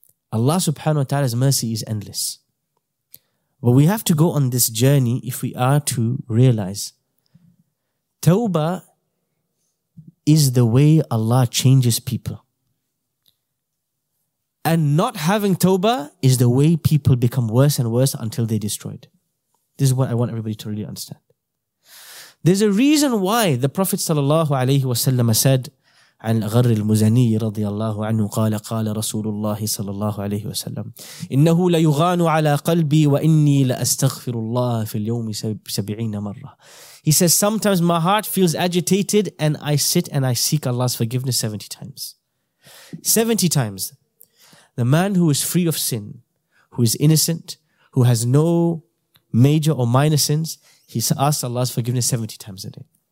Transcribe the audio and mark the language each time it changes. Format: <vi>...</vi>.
<en>Allah subhanahu wa ta'ala's mercy is endless. But we have to go on this journey if we are to realize tawbah is the way Allah changes people. And not having tawbah is the way people become worse and worse until they're destroyed. This is what I want everybody to really understand. There's a reason why the Prophet sallallahu alayhi wa sallam said,</en> <ar>عن غر المزني رضي الله عنه قال قال رسول الله صلى الله عليه وسلم إنه ليغان على قلبي وإني لأستغفر الله في اليوم 70 مرة.</ar> <en>He says, sometimes my heart feels agitated and I sit and I seek Allah's forgiveness 70 times. 70 times. The man who is free of sin, who is innocent, who has no major or minor sins, he asks Allah's forgiveness 70 times a day.</en>